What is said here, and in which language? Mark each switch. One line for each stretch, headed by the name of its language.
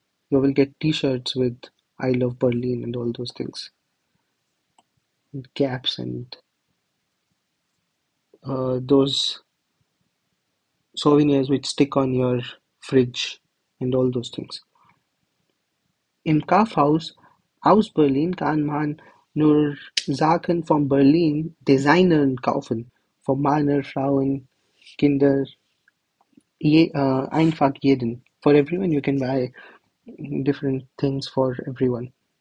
English: You will get t-shirts with I love Berlin and all those things. And caps and those souvenirs which stick on your fridge and all those things.
German: Im Kaufhaus aus Berlin kann man nur Sachen von Berlin Designern kaufen, von Männern, Frauen, Kinder, einfach jeden.
English: For everyone, you can buy different things for everyone.